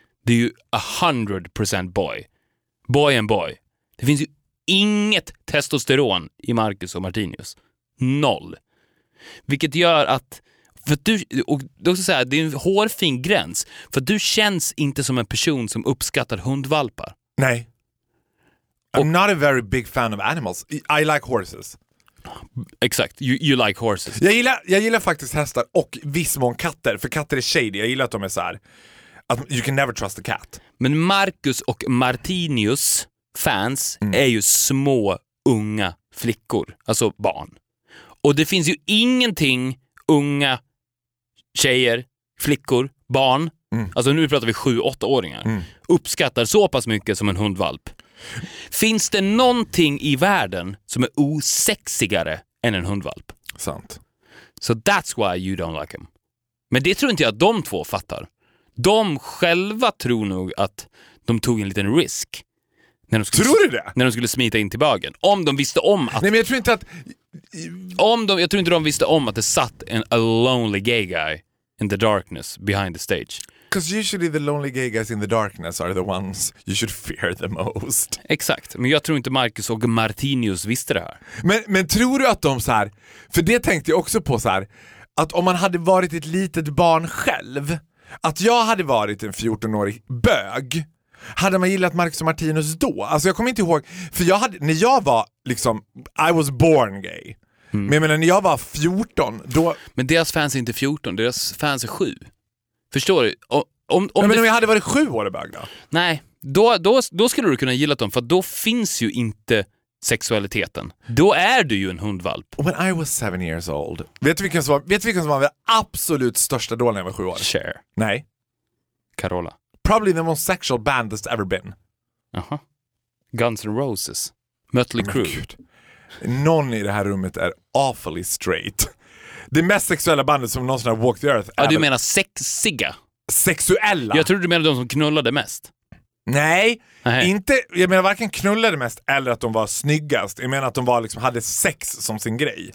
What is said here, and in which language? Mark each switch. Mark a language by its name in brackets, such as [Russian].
[Swedish] Det är ju [English] 100% boy. Boy and boy. [Swedish] Det finns ju inget testosteron i Marcus och Martinius. Noll. Vilket gör att... För du, och då ska jag säga, det är en hårfin gräns. För du känns inte som en person som uppskattar hundvalpar. Nej. [English] I'm not a very big fan of animals. I like horses. [Swedish] Exakt, [English] you like horses. [Swedish] Jag gillar faktiskt hästar och viss mån katter. För katter är shady, jag gillar att de är så här. Att [English] you can never trust a cat. [Swedish] Men Marcus och Martinius fans är ju små, unga flickor. Alltså barn. Och det finns ju ingenting... Unga tjejer, flickor, barn. Alltså nu pratar vi 7-8-åringar. Uppskattar så pass mycket som en hundvalp. Finns det någonting i världen som är osexigare än en hundvalp? Sant. [English] So that's why you don't like him. [Swedish] Men det tror inte jag att de två fattar. De själva tror nog att de tog en liten risk när de skulle, tror du det? När de skulle smita in till bagen. Om de visste om att... Nej, men jag tror inte att... Jag tror inte de visste om att det satt en [English] a lonely gay guy in the darkness behind the stage. Because usually the lonely gay guys in the darkness are the ones you should fear the most. [Swedish] Exakt, men jag tror inte Marcus och Martinius visste det här. Men tror du att de så här, för det tänkte jag också på så här, att om man hade varit ett litet barn själv, att jag hade varit en 14-årig bög, hade man gillat Marcus och Martinus då? Alltså jag kommer inte ihåg, för jag hade, när jag var liksom, [English] I was born gay. [Swedish] Men jag menar, när jag var 14 då... Men deras fans är inte 14, deras fans är 7. Förstår du? Om jag hade varit 7 år i bög då? Nej, då skulle du kunna gilla dem. För då finns ju inte sexualiteten. Då är du ju en hundvalp. [English] When I was 7 years old, [Swedish] vet du vilken som var den absolut största då när jag var 7 år? Cher. Nej. Carola. [English] Probably the most sexual band that's ever been. [Swedish] Aha. Guns N' Roses. Mötley Crüe. Gud. Någon i det här rummet är [English] awfully straight. [Swedish] Det mest sexuella bandet som någonsin har [English] walked the earth. [Swedish] Ja, du menar sexiga? Sexuella? Jag tror du menar de som knullade mest. Nej. Aha. Inte. Jag menar varken knullade mest eller att de var snyggast. Jag menar att de var liksom, hade sex som sin grej.